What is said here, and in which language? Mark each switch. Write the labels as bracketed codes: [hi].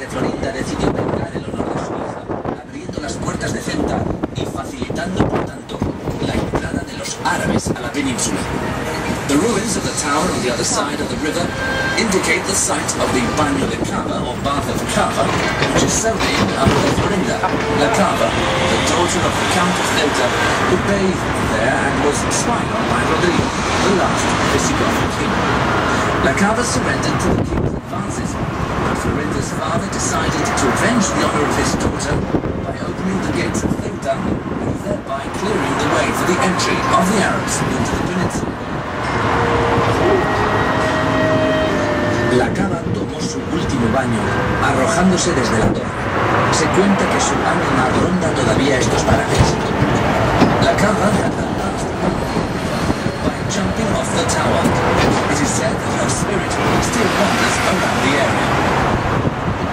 [es] De Florinda decidió vengar el honor de su hija, abriendo las puertas de Ceuta y facilitando, por tanto, la entrada de los árabes a la península. [en] The ruins of the tower on the other side of the river indicate the site of the Baño de Cava, or Bath of Cava, which is so named after Florinda, La Cava, the daughter of the Count of Ceuta, who bathed there and was spied on by Rodrigo, the last Visigothic king. La Cava surrendered to the king's advances, but Florinda's father decided to avenge the honor of his daughter by opening the gates of Ceuta and thereby clearing the way for the entry of the Arabs into the peninsula. [es] La Cava tomó su último baño, arrojándose desde la torre. Se cuenta que su ánima ronda todavía estos parajes. [en] La Cava had the last by jumping off the tower. It is said that her spirit still wanders around the area.